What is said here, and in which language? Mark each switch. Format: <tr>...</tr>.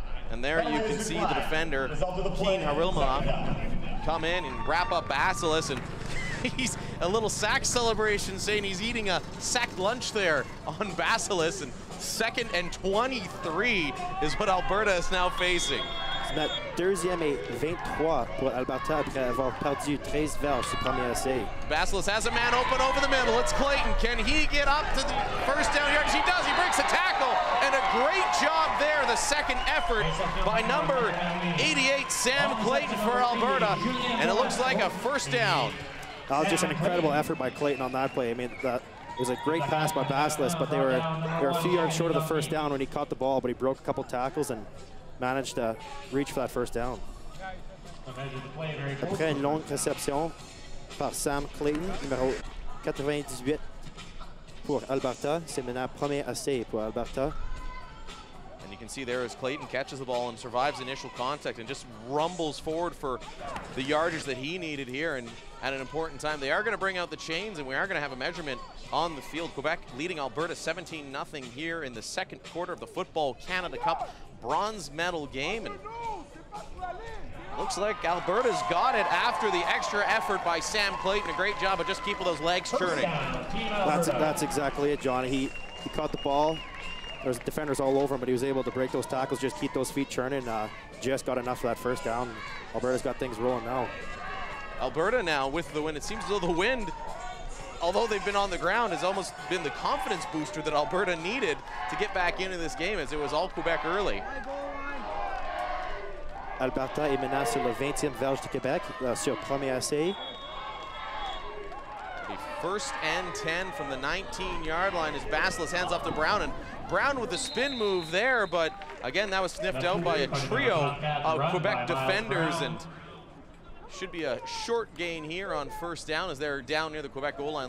<en>And there you can see the defender, Keen Harilmanea, come in and wrap up Vasilis, and he's a little sack celebration saying he's eating a sack lunch there on Vasilis, and second and 23 is what Alberta is now facing.</en> <fr>C'est la deuxième et 23 pour Alberta après avoir perdu 13 verges sur premier essai.</fr> <en>Vasilis has a man open over the middle. It's Clayton. Can he get up to the first down yardage? He does. He breaks a tackle. And a great job there, the second effort by number 88, Sam Clayton for Alberta. And it looks like a first down. That was just an incredible effort by Clayton on that play. I mean, that was a great pass by Vasilis, but they were a few yards short of the first down when he caught the ball, but he broke a couple tackles and managed to reach for that first down.</en> <fr>Après une longue réception par Sam Clayton, numéro 98 pour Alberta, c'est maintenant premier essai pour Alberta.</fr> <en>And you can see there as Clayton catches the ball and survives initial contact and just rumbles forward for the yardage that he needed here. And at an important time, they are going to bring out the chains and we are going to have a measurement on the field. Quebec leading Alberta 17-0 here in the second quarter of the Football Canada Cup bronze medal game, and looks like Alberta's got it after the extra effort by Sam Clayton. A great job of just keeping those legs churning. That's exactly it, John. He caught the ball. There's defenders all over him, but he was able to break those tackles, just keep those feet churning. Just got enough of that first down. Alberta's got things rolling now. Alberta now with the win. It seems as though the wind, although they've been on the ground, has almost been the confidence booster that Alberta needed to get back into this game, as it was all Quebec early.</en> <fr>Alberta est maintenant sur le 20e verge de Québec, sur premier essai.</fr> <en>The first and 10 from the 19-yard line as Vasilis hands off to Brown, and Brown with the spin move there, but again, that was sniffed out by a trio of Quebec defenders, and should be a short gain here on first down as they're down near the Quebec goal line.</en>